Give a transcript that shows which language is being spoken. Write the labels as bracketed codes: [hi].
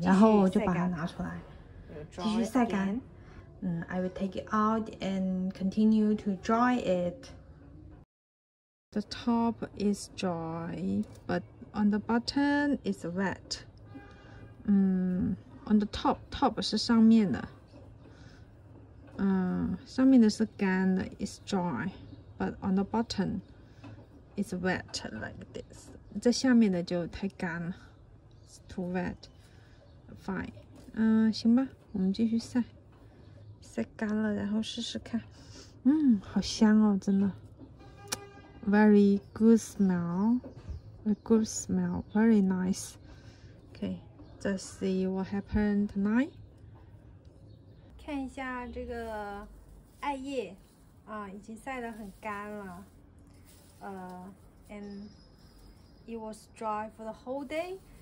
[zh] 然后我就把它拿出来，继续晒干。 [en] I will take it out and continue to dry it. The top is dry, but on the bottom is wet. On the top [zh] 是上面的，上面的是干的 [en] ，is dry， but on the bottom is wet like this。 [zh] 这下面的就太干了 ， [en] it's too wet。Fine， [zh] 行吧，我们继续晒，晒干了然后试试看。好香哦，真的 [en] ，very good smell，a good smell，very nice。Okay。 Let's see what happened tonight. [zh] 看一下这个艾叶啊，已经晒得很干了。 [en] And it was dry for the whole day.